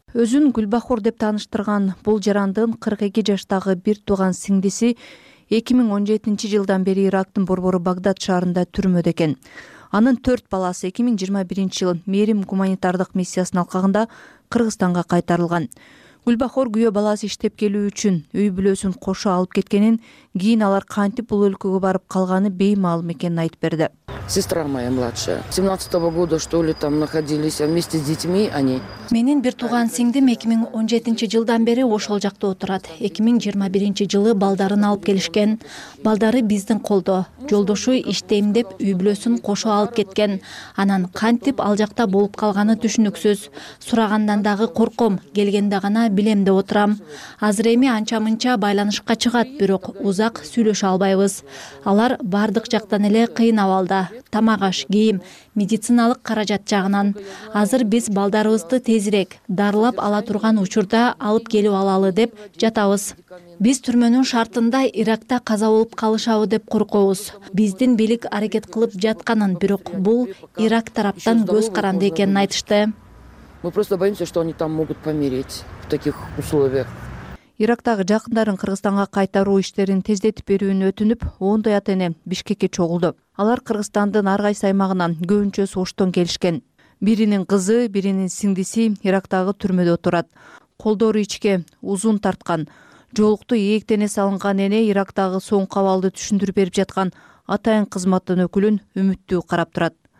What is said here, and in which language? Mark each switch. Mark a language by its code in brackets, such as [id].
[ky] Өзүн Гүлбахор деп тааныштырган бул жарандын 42 жаштагы бир тууган сиңдиси 2017 жылдан бери Ирактын борбору Багдад шаарында түрмөдө экен. Анын 4 баласы 2021 жылы мээрим гуманитардык миссиясынын алкагында Кыргызстанга кайтарылган. Гүлбахор күйөө баласы иштеп келүү үчүн үй бүлөсүн кошо алып кеткенин, кийин алар кантип бул өлкөгө барып калганы беймаалым экенин айтып берди. [ru] Сестра моя младшая 17-го года что ли там находились вместе с детьми они. [ky] Менин бир тууган сиңдим 2017 жылдан бери ошол жакта отурат. 2021 жылы балдарын алып келишкен. Балдары биздин колдо. Жолдошу иштейм деп үй бүлөсүн кошо алып кеткен. Анан кантип ал жакта болуп калганы түшүнүксүз. Сурагандан дагы корком, келгенде гана билем деп отурам. Азыр эми анча-мынча байланышка чыгат, бирок узак сүйлөшө албайбыз. Алар бардык жактан эле кыйын абалда. Тамак аш, кийим, медициналык каражат жагынан азыр биз балдарыбызды тезирээк дарылап ала турган учурда алып келип алалы деп жатабыз. Биз түрмөнүн шартында Иракта каза болуп калышабы деп коркобуз. Биздин бийлик аракет кылып жатканын, бирок бул Ирак тараптан көз каранды экенин айтышты. [ru] Мы просто боимся, что они там могут помереть в таких условиях. [ky] Ирактагы жакындарын Кыргызстанга кайтаруу иштерин тездетип берүүнү өтүнүп, ондой ата-эне Бишкекке чогулду. Алар Кыргызстандын ар кайсы аймагынан көбүнчө Оштон келишкен. Биринин кызы, биринин сиңдиси Ирактагы түрмөдө отурат. Колдору ичке узун тарткан, жолукту ийектене салынган эне Ирактагы соңку абалды түшүндүрүп берип жаткан атайын кызматтын өкүлүн үмүттүү карап турат.